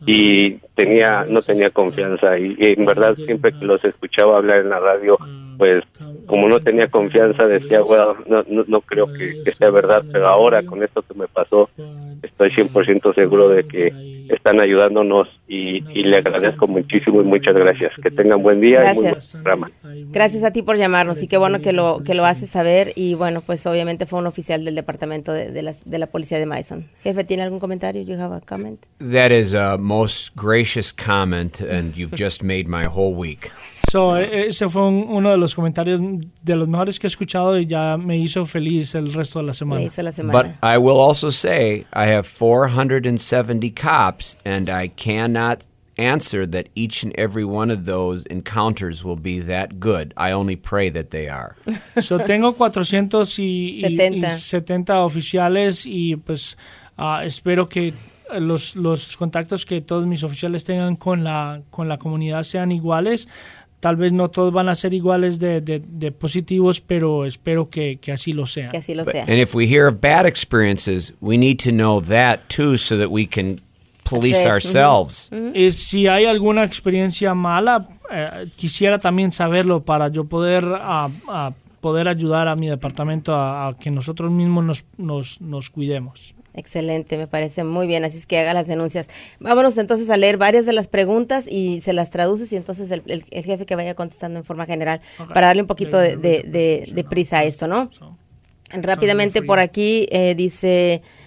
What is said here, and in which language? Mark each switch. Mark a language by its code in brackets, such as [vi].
[es] Y no tenía confianza y en verdad siempre que los escuchaba hablar en la radio, pues como no tenía confianza decía, bueno, no creo que sea verdad, pero ahora con esto que me pasó estoy 100% seguro de que están ayudándonos y le agradezco muchísimo y muchas gracias. Que tengan buen día. Gracias. Y muy buen programa. Gracias a ti por llamarnos y qué bueno que lo haces saber y bueno, pues obviamente fue un oficial del departamento de la policía de Madison. Jefe, ¿tiene algún comentario? [en] You have a comment? That is a most gracious comment and you've just made my whole week. [es] So, ese fue uno de los comentarios de los mejores que he escuchado y ya me hizo feliz el resto de la semana. [en] But I will also say I have 470 cops and I cannot answer that each and every one of those encounters will be that good. I only pray that they are. [es] So, tengo 470 oficiales y pues espero que los contactos que todos mis oficiales tengan con la comunidad sean iguales. Tal vez no todos van a ser iguales de positivos, pero espero que así lo sea. Que así lo sea. [en] And if we hear of bad experiences, we need to know that too so that we can police ourselves. Mm-hmm. [es] Y si hay alguna experiencia mala, quisiera también saberlo para yo poder poder ayudar a mi departamento a que nosotros mismos nos cuidemos. Excelente, me parece muy bien, así es que haga las denuncias. Vámonos entonces a leer varias de las preguntas y se las traduces y entonces el jefe que vaya contestando en forma general para darle un poquito de prisa a esto, ¿no? Rápidamente por aquí dice